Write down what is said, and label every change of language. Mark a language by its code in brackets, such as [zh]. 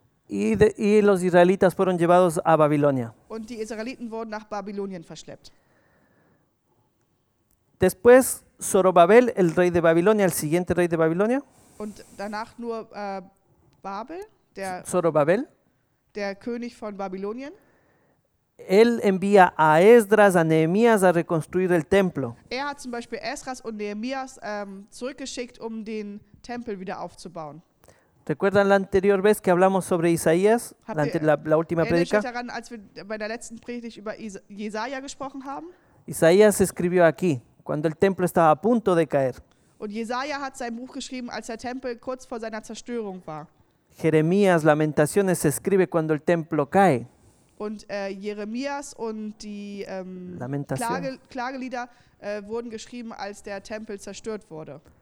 [es] Y los israelitas fueron llevados a Babilonia. [de] Und die Israeliten wurden nach Babylonien verschleppt. [es] Después Zorobabel, el rey de Babilonia, el siguiente rey de Babilonia. [de] Und danach nur Babel, der [es] Zorobabel, [de] der König von Babylonien. [es] Él envía a Esdras, a Nehemías a reconstruir el templo. [de] Er hat zum Beispiel Esdras und Nehemías zurückgeschickt, um den Tempel wieder aufzubauen. [es] ¿Recuerdan la anterior vez que hablamos sobre Isaías, la última predica? [de] Erinnert sich daran, als wir bei der letzten Predigt über Jesaja gesprochen haben? [es] Isaías escribió aquí, cuando el templo estaba a punto de caer. [de] Und Jesaja hat sein Buch geschrieben, als der Tempel kurz vor seiner Zerstörung war. [es] Jeremías, Lamentaciones, escribe cuando el templo cae. [de] Und Jeremías und die Klagelieder wurden geschrieben, als der Tempel zerstört wurde.